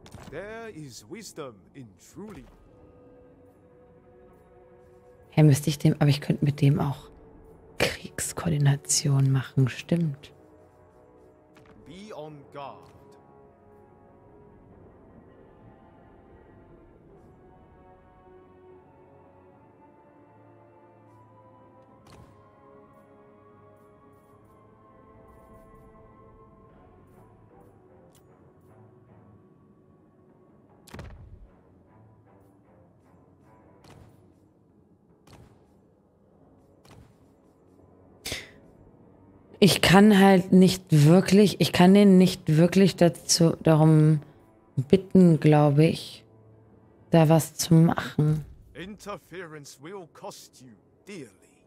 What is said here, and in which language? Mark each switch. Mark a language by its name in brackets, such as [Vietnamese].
[English] There is wisdom in truly. [German] Hey, müsste ich dem, aber ich könnte mit dem auch Kriegskoordination machen, stimmt. [English] Be on guard. [German] Ich kann halt nicht wirklich, ich kann den nicht wirklich dazu, darum bitten, glaube ich, da was zu machen. [English] Interference will cost you dearly.